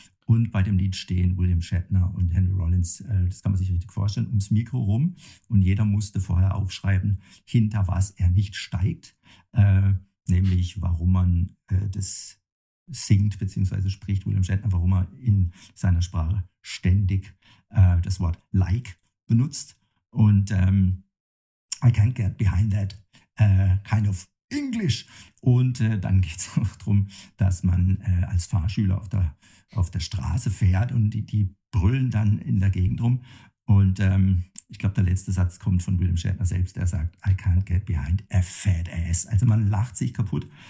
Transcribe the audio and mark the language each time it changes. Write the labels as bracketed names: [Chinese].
[German] Und bei dem Lied stehen William Shatner und Henry Rollins, das kann man sich richtig vorstellen, ums Mikro rum. Und jeder musste vorher aufschreiben, hinter was er nicht steigt. nämlich warum man das singt bzw. spricht, William Shatner, warum er in seiner Sprache ständig das Wort like benutzt. [English] Und I can't get behind that kind of English. [German] Und dann geht es auch darum, dass man als Fahrschüler auf der Straße fährt und die brüllen dann in der Gegend rum. Und ich glaube, der letzte Satz kommt von William Shatner selbst. Er sagt, [English] I can't get behind a fat ass. [German] Also man lacht sich kaputt.